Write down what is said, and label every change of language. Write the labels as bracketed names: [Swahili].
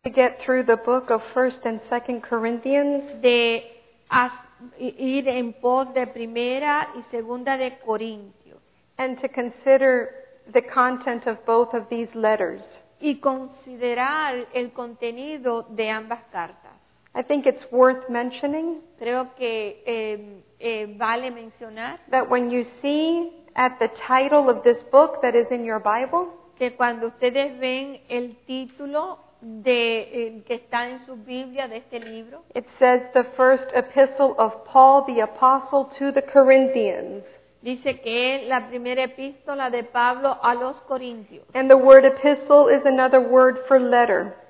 [English] to get through the book of 1st and 2nd Corinthians, [Spanish] de ir en pos de primera y segunda de Corintios, [English] and to consider the content of both of these letters, [Spanish] y considerar el contenido de ambas cartas. [English] I think it's worth mentioning, [Spanish] creo que vale mencionar, [English] that when you see at the title of this book that is in your Bible, [Spanish] que cuando ustedes ven el título de que está en su Biblia de este libro, [English] it says the first epistle of Paul the apostle to the Corinthians. [Spanish] Dice que es la primera epístola de Pablo a los Corintios. [English] And the word epistle is another word for letter.